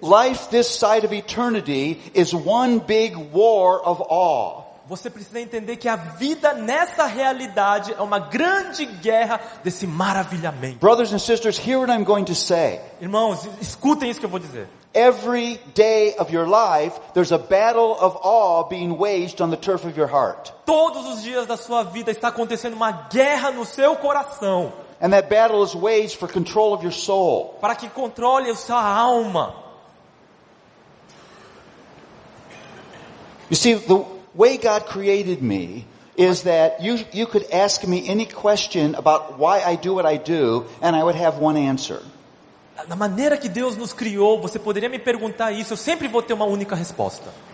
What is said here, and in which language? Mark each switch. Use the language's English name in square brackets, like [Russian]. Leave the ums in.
[English] Life this side of eternity is one big war of awe. [Portuguese] Você precisa entender que a vida nessa realidade é uma grande guerra desse maravilhamento. [English] Brothers and sisters, hear what I'm going to say. [Portuguese] Irmãos, escutem isso que eu vou dizer. [English] every day of your life, there's a battle of awe being waged on the turf of your heart. [Portuguese] Todos os dias da sua vida está acontecendo uma guerra no seu coração. [English] And that battle is waged for control of your soul. [Portuguese] Para que controle a sua alma. [English] You see, the way God created me is that you, you could ask me any question about why I do what I do, and I would have one answer. [Portuguese] na maneira que Deus nos criou, você poderia me perguntar isso? Eu sempre vou ter uma única resposta.